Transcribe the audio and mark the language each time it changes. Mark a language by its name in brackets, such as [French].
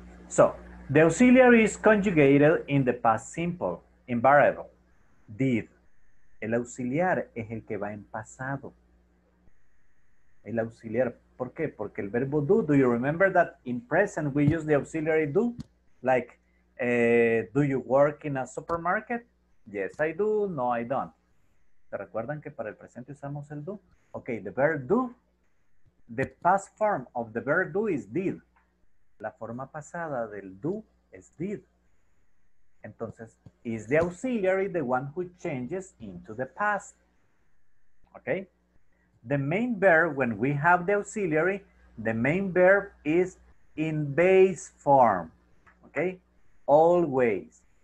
[English] So, the auxiliary is conjugated in the past simple, in variable, did. [Spanish] El auxiliar es el que va en pasado. El auxiliar. ¿Por qué? [English] Porque el verbo do, do you remember that in present we use the auxiliary do? Like, do you work in a supermarket? Yes, I do. No, I don't. [Spanish] ¿Se recuerdan que para el presente usamos el do? [English] Okay, the verb do. The past form of the verb do is did. [Spanish] La forma pasada del do es did. Entonces, [English] is the auxiliary the one who changes into the past? Okay. The main verb, when we have the auxiliary, the main verb is in base form. Okay? Always.